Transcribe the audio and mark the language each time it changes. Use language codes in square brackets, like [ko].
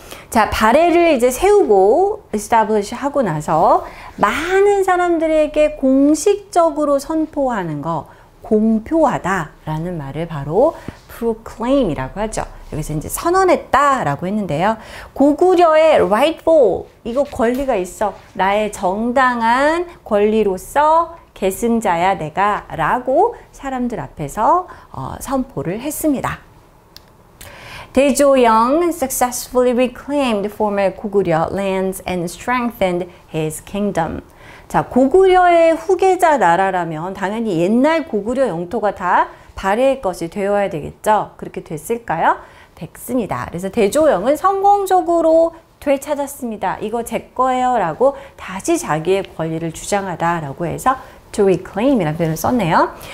[ko] 자, 발해를 이제 세우고 establish 하고 나서 많은 사람들에게 공식적으로 선포하는 거 공표하다라는 말을 바로 proclaim이라고 하죠. 여기서 이제 선언했다라고 했는데요. 고구려의 rightful 이거 권리가 있어. 나의 정당한 권리로서 계승자야 내가 라고 사람들 앞에서 선포를 했습니다. [en] 대조영 successfully reclaimed former 고구려 lands and strengthened his kingdom. [ko] 자, 고구려의 후계자 나라라면 당연히 옛날 고구려 영토가 다 발해의 것이 되어야 되겠죠. 그렇게 됐을까요? 됐습니다. 그래서 대조영은 성공적으로 되찾았습니다. 이거 제 거예요 라고 다시 자기의 권리를 주장하다 라고 해서 to reclaim 이라는 표현을 썼네요.